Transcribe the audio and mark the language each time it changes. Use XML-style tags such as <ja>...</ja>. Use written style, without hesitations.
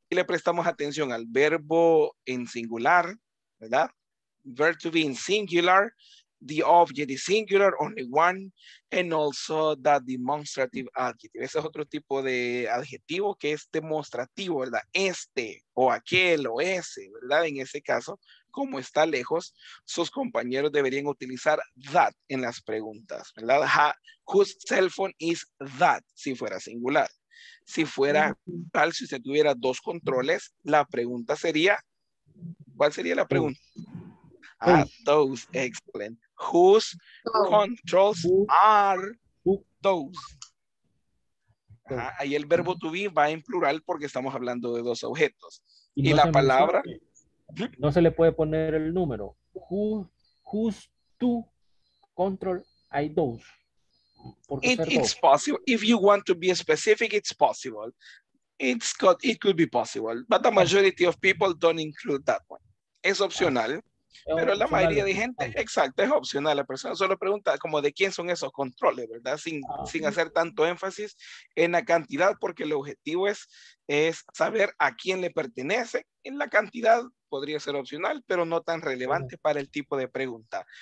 <es>Y le prestamos atención al verbo en singular. ¿Verdad?</es> <en>Verb to be in singular, the object is singular, only one, and also the demonstrative adjective.</en> <es>Ese es otro tipo de adjetivo que es demostrativo, ¿verdad? Este, o aquel, o ese, ¿verdad? En ese caso, como está lejos, sus compañeros deberían utilizar that en las preguntas, ¿verdad?</es> <en>Whose cell phone is that?</en> <es>Si fuera singular. Si fuera tal, si usted tuviera dos controles, la pregunta sería... ¿Cuál sería la pregunta?</es> <en>Those, excellent. Whose controls are those?</en> <es>Ahí el verbo to be va en plural porque estamos hablando de dos objetos. Y no la palabra... No se le puede poner el número.</es> <en>Whose to control are those? It's possible. If you want to be specific, it's possible. It could be possible. But the majority of people don't include that one.</en> <es>Es opcional, pero la mayoría de gente, exacto, es opcional. La persona solo pregunta como de quién son esos controles, ¿verdad? Sin hacer tanto énfasis en la cantidad, porque el objetivo es saber a quién le pertenece. En la cantidad podría ser opcional, pero no tan relevante para el tipo de pregunta.</es>